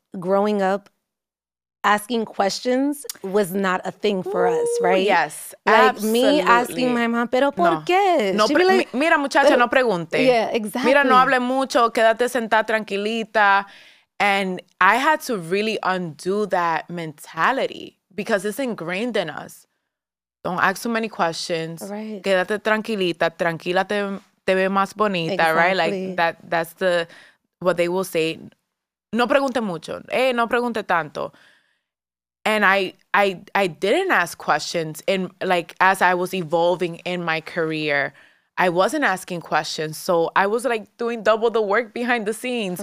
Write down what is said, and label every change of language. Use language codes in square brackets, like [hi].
[en] growing up, asking questions was not a thing for us, right? Yes, like absolutely. Me asking my mom, [es] pero por qué? [en] No, she'd be like, [es] mira muchacha, no pregunte. [en] Yeah, exactly. [es] Mira, no hable mucho, quédate sentada tranquilita. [en] And I had to really undo that mentality because it's ingrained in us. Don't ask too many questions. Right. [es] Quédate tranquilita, tranquila te ve más bonita, [en] exactly. Right? Like that's the what they will say. [es] No pregunte mucho. [en] Hey, [es] no pregunte tanto. [en] And I didn't ask questions in like as I was evolving in my career. I wasn't asking questions. So I was like doing double the work behind the scenes,